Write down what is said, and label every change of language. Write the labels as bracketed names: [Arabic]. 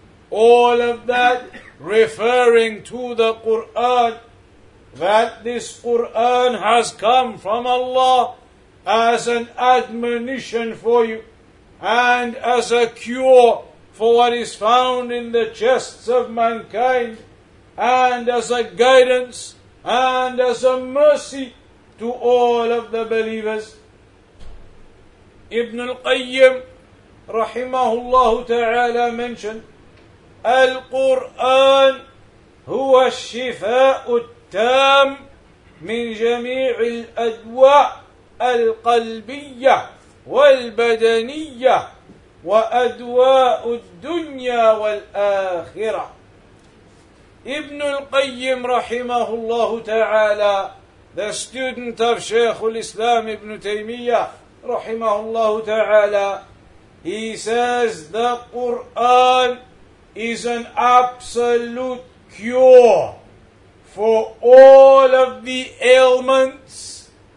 [English] All of that referring to the Qur'an, that this Qur'an has come from Allah as an admonition for you and as a cure for what is found in the chests of mankind, and as a guidance and as a mercy to all of the believers. Ibn al-Qayyim rahimahullahu ta'ala mentioned, [Arabic] القرآن هو الشفاء التام من جميع الأدواء القلبية والبدنية وأدواء الدنيا والآخرة. [English] ابن القيم رحمه الله تعالى, the student of شيخ الإسلام ابن تيمية رحمه الله تعالى, he says the Quran is an absolute cure for all of the ailments,